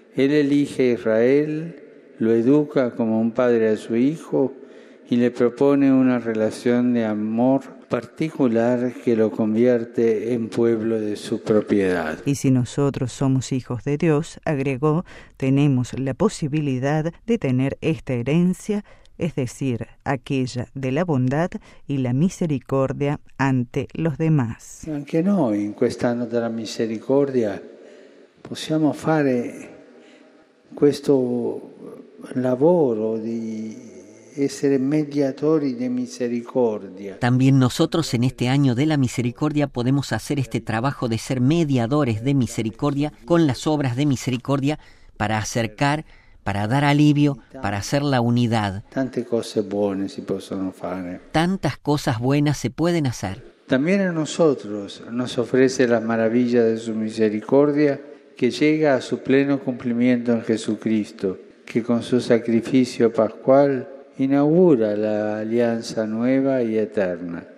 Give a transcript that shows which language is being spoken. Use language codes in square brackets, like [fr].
[es] Él elige a Israel, lo educa como un padre a su hijo y le propone una relación de amor particular que lo convierte en pueblo de su propiedad. Y si nosotros somos hijos de Dios, agregó, tenemos la posibilidad de tener esta herencia, es decir, aquella de la bondad y la misericordia ante los demás. [it] Anche noi, in quest'anno della misericordia, possiamo fare questo lavoro di essere mediatori di misericordia. [es] También nosotros en este año de la misericordia podemos hacer este trabajo de ser mediadores de misericordia con las obras de misericordia para acercar, para dar alivio, para hacer la unidad. [it] Tante cose buone si possono fare. [es] Tantas cosas buenas se pueden hacer. También a nosotros nos ofrece la maravilla de su misericordia, que llega a su pleno cumplimiento en Jesucristo, que con su sacrificio pascual inaugura la alianza nueva y eterna.